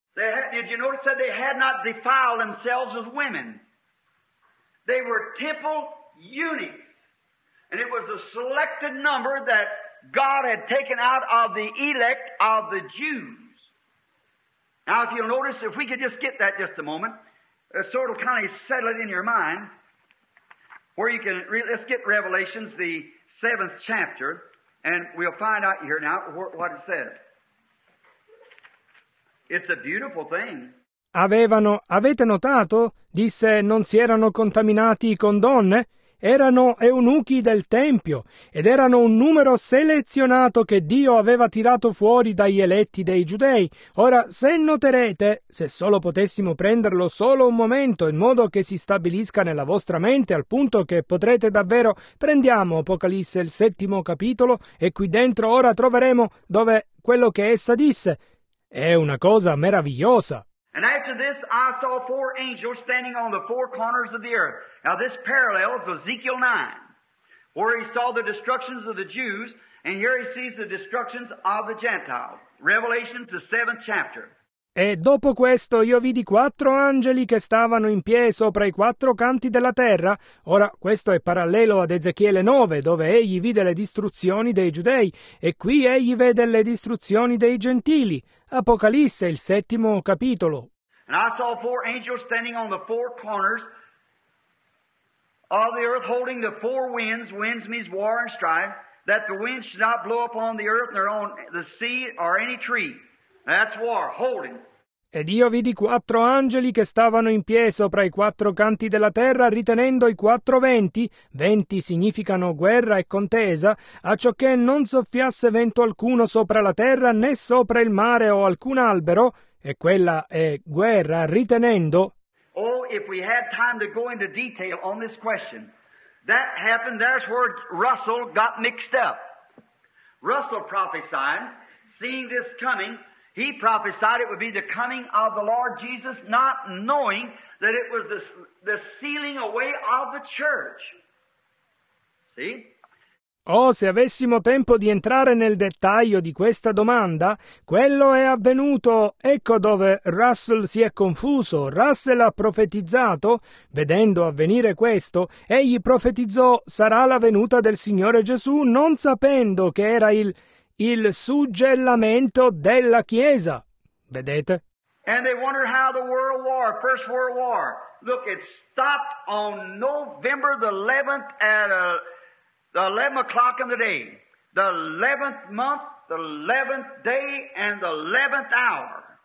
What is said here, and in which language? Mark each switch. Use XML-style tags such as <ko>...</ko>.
<en>Did you notice that they had not defiled themselves as women? They were temple eunuchs. And it was a selected number that God had taken out of the elect of the Jews. Now if you'll notice, if we could just get that just a moment, so it'll kind of settle it in your mind, where you can, let's get Revelations, the 7th chapter. And we'll find out here now what it says. It's a beautiful thing.</en> <it>Avete notato? Disse, non si erano contaminati con donne? erano eunuchi del Tempio ed erano un numero selezionato che Dio aveva tirato fuori dagli eletti dei Giudei. Ora, se noterete, se solo potessimo prenderlo solo un momento in modo che si stabilisca nella vostra mente al punto che potrete davvero... Prendiamo Apocalisse il 7° capitolo e qui dentro ora troveremo dove quello che essa disse. È una cosa meravigliosa.</it> <en>And after this I saw four angels standing on the four corners of the earth. Now this parallels Ezekiel 9, where he saw the destructions of the Jews, and here he sees the destructions of the Gentiles. Revelation, the 7th chapter.</en> <it>E dopo questo io vidi quattro angeli che stavano in piedi sopra i quattro canti della terra. Ora, questo è parallelo ad Ezechiele 9, dove egli vide le distruzioni dei giudei, e qui egli vede le distruzioni dei gentili. Apocalisse, il 7° capitolo.</it> <en>And I saw four angels standing on the four corners of the earth, holding the four winds. Winds means war and strife, that the wind should not blow upon the earth, nor on the sea, or any tree. That's war, holding.</en> <it>Ed io vidi quattro angeli che stavano in piedi sopra i quattro canti della terra, ritenendo i quattro venti, venti significano guerra e contesa, a ciò che non soffiasse vento alcuno sopra la terra, né sopra il mare o alcun albero, e quella è guerra, ritenendo.</it> <en>Oh, if we had time to go into detail on this question, that happened, there's where Russell got mixed up. Russell prophesied, seeing this coming, he prophesied it would be the coming of the Lord Jesus, not knowing that it was the sealing away of the church. See?</en> <it>Oh, se avessimo tempo di entrare nel dettaglio di questa domanda, quello è avvenuto, ecco dove Russell si è confuso. Russell ha profetizzato, vedendo avvenire questo, egli profetizzò sarà la venuta del Signore Gesù, non sapendo che era il suggellamento della Chiesa. Vedete?</it> <en>And they wonder how the World War, First World War, look, it stopped on November the 11th at the 11 o'clock in the day. The 11th month, the 11th day, and the 11th hour.</en>